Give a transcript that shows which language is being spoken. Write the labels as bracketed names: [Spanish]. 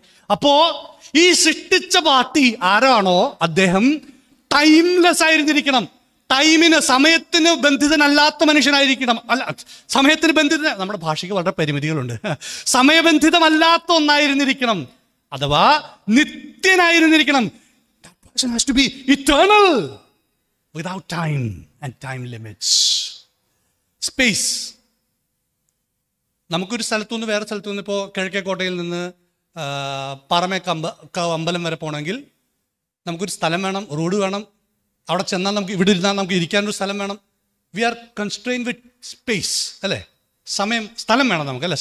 [Malayalam] അപ്പോ ഈ സൃഷ്ടിച്ച പാർട്ടി ആരാണോ അദ്ദേഹം ടൈംലെസ് ആയിരുന്നിരിക്കണം. ടൈമിന്, സമയത്തിന് ബന്ധിതനല്ലാത്ത മനുഷ്യനായിരിക്കണം. അല്ല, സമയത്തിന് ബന്ധിത, നമ്മുടെ ഭാഷയ്ക്ക് വളരെ പരിമിതികളുണ്ട്. സമയബന്ധിതമല്ലാത്ത ഒന്നായിരുന്നിരിക്കണം, അഥവാ നിത്യനായിരുന്നിരിക്കണം. [English] That person has to be eternal without time and time limits. Space. [Malayalam] നമുക്കൊരു സ്ഥലത്തു നിന്ന് വേറെ സ്ഥലത്തു നിന്ന്, ഇപ്പോൾ കിഴക്കേക്കോട്ടയിൽ നിന്ന് പറമേ അമ്പലം വരെ പോകണമെങ്കിൽ നമുക്കൊരു സ്ഥലം വേണം, റോഡ് വേണം, അവിടെ ചെന്നാൽ നമുക്ക് ഇവിടെ ഇരുന്നാൽ നമുക്ക് ഇരിക്കാനൊരു സ്ഥലം വേണം. [English] we are constrained with space [Malayalam] അല്ലേ. സമയം, സ്ഥലം വേണം നമുക്ക് അല്ലേ.